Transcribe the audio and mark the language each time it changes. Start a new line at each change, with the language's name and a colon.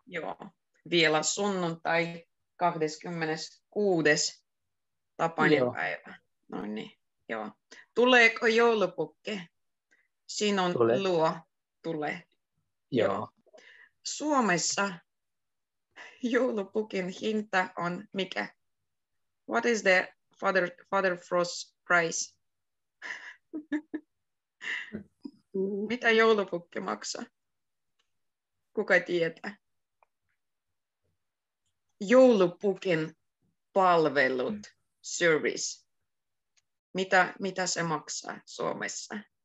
Finnish: Joo. Vielä sunnuntai 26. tapaninpäivä. No niin, joo. Tuleeko joulupukki? Sinun tule. Luo tulee. Joo. Joo. Suomessa joulupukin hinta on mikä?
English: What is the Father Frost price?
Finnish: Mitä joulupukki maksaa? Kuka tietää? Joulupukin palvelut, service. Mitä se maksaa Suomessa?